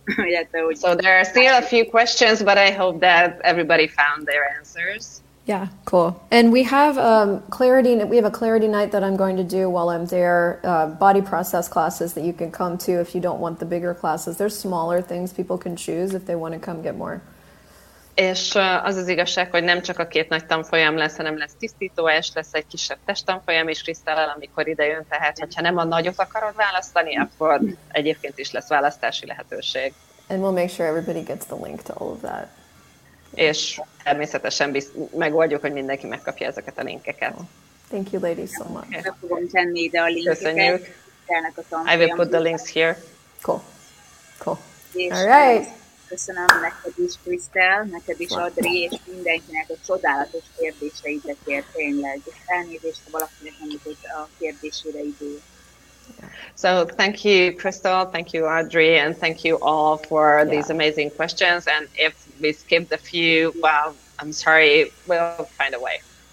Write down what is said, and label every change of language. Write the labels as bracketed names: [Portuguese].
[Hungarian] Illetve, hogy [English] so there are still a few questions, but I hope that everybody found their answers. Yeah, cool. And we have a clarity night that I'm going to do while I'm there. Body process classes that you can come to if you don't want the bigger classes. There's smaller things people can choose if they want to come get more. [Hungarian] És az az igazság, hogy nem csak a két nagy tanfolyam lesz, hanem lesz tisztító, és lesz egy kisebb testtanfolyam is Krisztellel, amikor ide jön, tehát hogyha nem a nagyot akarod választani, akkor egyébként is lesz választási lehetőség. [English] And we'll make sure everybody gets the link to all of that. [Hungarian] És természetesen megoldjuk, hogy mindenki megkapja ezeket a linkeket. [English] Thank you ladies so much. [Hungarian] Fogom tenni ide a linkeket. Köszönjük. [English] I will put the links here. Cool. All right. [Hungarian] Köszönöm neked is, Krisztel, neked is, Adri, és mindenkinek a csodálatos kérdéseidet ér tényleg. Elnézést, ha valakinek nem jutott a kérdésére idő. [English] So thank you, Crystal, thank you, Audrey, and thank you all for these amazing questions. And if we skip a few, well, I'm sorry, we'll find a way.